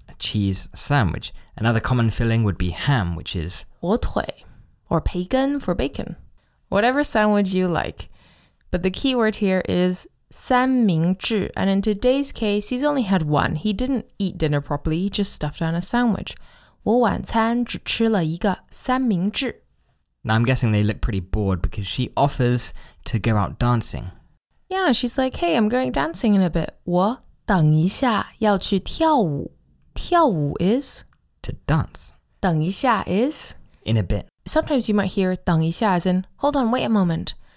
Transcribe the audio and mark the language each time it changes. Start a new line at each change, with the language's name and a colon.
English: Cheese sandwich. Another common filling would be ham, which is
Chinese: 火腿,
English: or
Chinese: 培根
English: for bacon. Whatever sandwich you like. But the key word here is 三明治. And in today's case, he's only had one. He didn't eat dinner properly, he just stuffed down a sandwich.
Chinese: 我晚餐只吃了一个三明治.
English: Now I'm guessing they look pretty bored because she offers to go out dancing. Yeah, she's like, hey, I'm going dancing in a bit.
Chinese: 我等一下要去跳舞.跳舞
English: is? To dance.
Chinese: 等一下
English: is? In a bit. Sometimes you might hear
Chinese: 等一下
English: as in, hold on, wait a moment.